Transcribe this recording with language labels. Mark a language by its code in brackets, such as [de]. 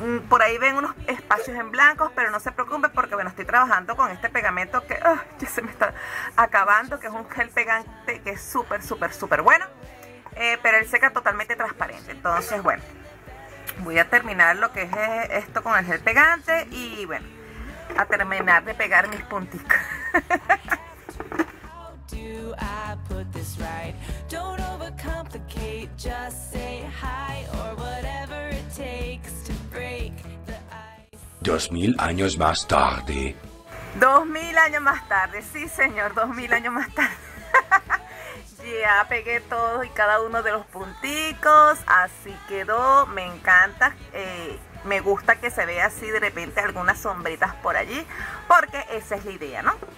[es] Por ahí ven unos espacios en blancos, pero no se preocupen porque bueno, estoy trabajando con este pegamento que ya se me está acabando, que es un gel pegante que es súper, súper, súper bueno. Pero él seca totalmente transparente. Entonces, bueno, voy a terminar lo que es esto con el gel pegante. Y bueno, a terminar de pegar mis punticos. [en] How do I put this right? Don't overcomplicate, just say hi or whatever it takes to break the ice. [es] 2000 años más tarde. 2000 años más tarde, sí señor, 2000 años más tarde. Ya pegué todos y cada uno de los punticos, así quedó, me encanta, me gusta que se vea así de repente algunas sombritas por allí, porque esa es la idea, ¿no?